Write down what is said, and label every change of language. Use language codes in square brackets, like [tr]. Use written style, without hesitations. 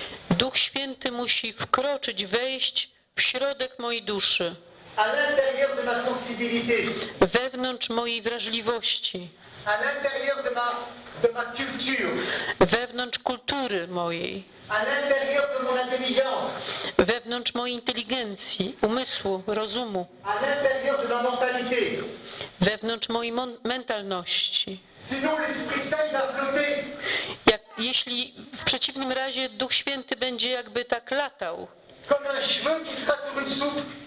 [pl] Duch Święty musi wkroczyć, wejść w środek mojej duszy. Wewnątrz mojej wrażliwości. [fr] À l'intérieur de ma culture. [pl] Wewnątrz kultury mojej. [fr] À l'intérieur de mon intelligence. [pl] Wewnątrz mojej inteligencji, umysłu, rozumu. [fr] À l'intérieur de ma mentalité. [pl] Wewnątrz mojej mentalności. [fr] Sinon l'Esprit Saint va flotter. [pl] Jeśli w przeciwnym razie Duch Święty będzie jakby tak latał. [fr] Comme un cheveu qui sera sur une soupe.